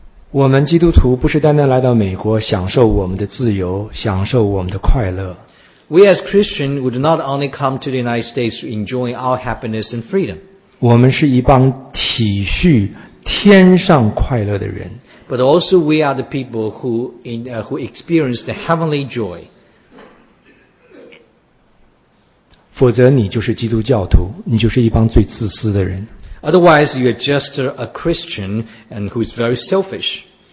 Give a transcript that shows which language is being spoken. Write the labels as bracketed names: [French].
[Chinese] 我们基督徒不是单单来到美国享受我们的自由，享受我们的快乐。 [English] We as Christians would not only come to the United States to enjoy our happiness and freedom. [Chinese] 我们是一帮体恤天上快乐的人。 [English] But also we are the people who experience the heavenly joy. [Chinese] 否则你就是基督教徒，你就是一帮最自私的人。 [English] Otherwise, you're just a Christian and who is very selfish.